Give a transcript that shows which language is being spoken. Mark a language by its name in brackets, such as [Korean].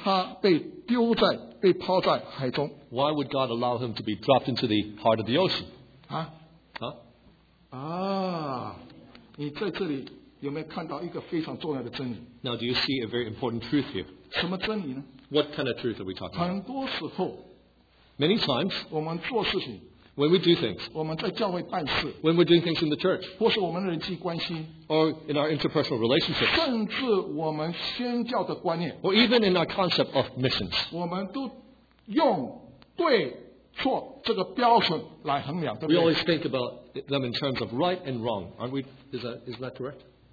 [Chinese] 为什么神要让他被丢在被抛在海中? [English] Why would God allow him to be dropped into the heart of the ocean? 啊? Huh? [Chinese] 啊, 你在这里有没有看到一个非常重要的真理? [English] Now, do you see a very important truth here? [Chinese] 什么真理呢? [English] What kind of truth are we talking about? [Chinese] 很多时候, [English] many times, [Chinese] 我们做事情, [English] when we do things, when we're doing things in the church, or in our interpersonal relationships, or even in our concept of missions, we always think about them in terms of right and wrong, aren't we? Is that correct?